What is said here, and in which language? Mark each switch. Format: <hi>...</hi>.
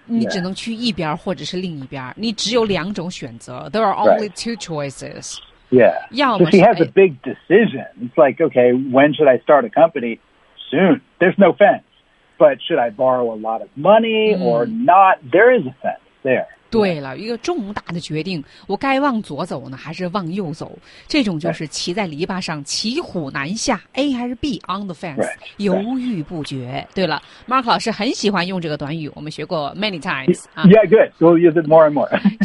<zh>你只能去一边或者是另一边，你只有两种选择。</zh> <en>There are only two choices. Yeah.</en> <zh>要么</zh> <en>So she has a big decision. It's like, okay, when should I start a company? Soon. There's no fence. But should I borrow a lot of money or not? There is a fence there.</en> <zh>对了，一个重大的决定，我该往左走呢，还是往右走？这种就是骑在篱笆上，骑虎难下 ，A 还是 B on the fence，</zh> <en>right,</en> <zh>犹豫不决。</zh> <en>Right.</en> <zh>对了 ，Mark 老师很喜欢用这个短语，我们学过</zh> <en>many times. Yeah, good. We'll use it more and more.</en>